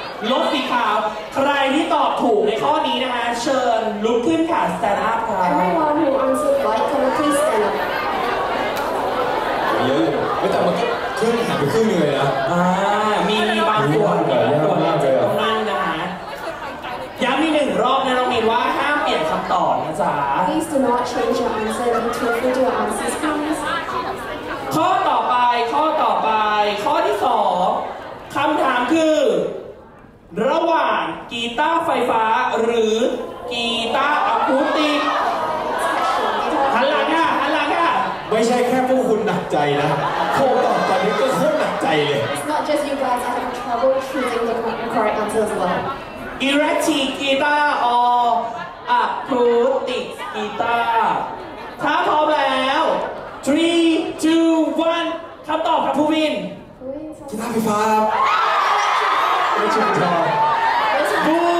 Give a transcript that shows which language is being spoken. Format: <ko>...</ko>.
<th>รถสีขาวใครที่ตอบถูกในข้อนี้นะคะเชิญลุกขึ้นค่ะ</th> <en>stand up</en> <th>ค่ะ</th> <en>everyone who answered right can please stand up</en> <th>เยอะเลยไม่แต่มันขึ้นหายไปครึ่งเลยนะ มีบางคน เยอะมากเลยอ่ะ ต้องนั่งนะฮะย้ำอีกหนึ่งรอบนะน้องมีนว่าห้ามเปลี่ยนคำตอบนะจ๊ะ</th> <en>please do not change your answer and to put your answers</en> <th>ข้อต่อไปข้อต่อไปข้อที่สองคำถามคือระหว่างกีตาร์ไฟฟ้าหรือกีตาร์อะคูติกหันหลังค่ะหันหลังค่ะ ไม่ใช่แค่พวกคุณหนักใจนะข้อตอบตอนนี้ก็โคตรหนักใจเลย</th> <en>it's not just you guys I have trouble choosing the correct answer as well electric guitar or acoustic guitar</en> <th>ถ้าพร้อมแล้ว3 2 1คำตอบครับผู้วิน กีตาร์ไฟฟ้าไม่ชอบครับ บู</th>